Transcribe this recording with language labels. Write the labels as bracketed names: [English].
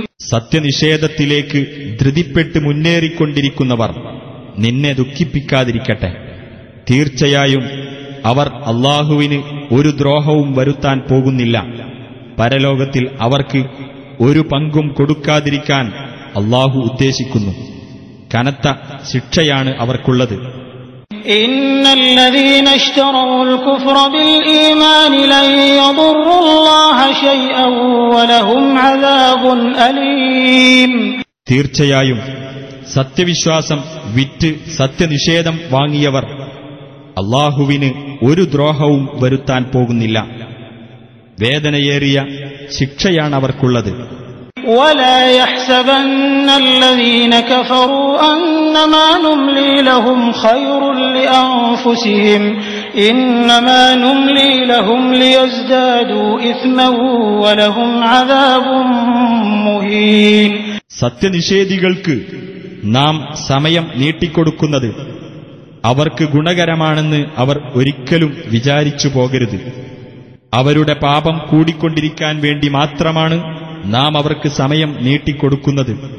[Malayalam] സത്യനിഷേധത്തിലേക്ക് ധൃതിപ്പെട്ട് മുന്നേറിക്കൊണ്ടിരിക്കുന്നവർ നിന്നെ ദുഃഖിപ്പിക്കാതിരിക്കട്ടെ. തീർച്ചയായും അവർ അല്ലാഹുവിന് ഒരു ദ്രോഹവും വരുത്താൻ പോകുന്നില്ല. പരലോകത്തിൽ അവർക്ക് ഒരു പങ്കും കൊടുക്കാതിരിക്കാൻ അല്ലാഹു ഉദ്ദേശിക്കുന്നു. കനത്ത ശിക്ഷയാണ് അവർക്കുള്ളത്. [Arabic] ان الذين اشتروا الكفر بالايمان لن يضر الله شيئا ولهم عذاب اليم [Malayalam] തീർച്ചയായും സത്യവിശ്വാസം വിറ്റ് സത്യനിഷേധം വാങ്ങിയവർ അല്ലാഹുവിന് ഒരു ദ്രോഹവും വരുത്താൻ പോകുന്നില്ല. വേദനയേറിയ ശിക്ഷയാണ് അവർക്കുള്ളത്. [Arabic] ولا يحسبن الذين كفروا انما نملي لهم خير لانفسهم انما نملي لهم ليزدادوا اثما ولهم عذاب مهين [Malayalam] സത്യനിഷേധികൾക്ക് നാം സമയം നീട്ടിക്കൊടുക്കുന്നു, അവർക്ക് ഗുണകരമാണെന്ന് അവർ ഒരിക്കലും വിചാരിച്ചു പോകരുത്. അവരുടെ പാപം കൂടിക്കൊണ്ടിരിക്കാൻ വേണ്ടി മാത്രമാണ് നാം അവർക്ക് സമയം നീട്ടിക്കൊടുക്കുന്നത്.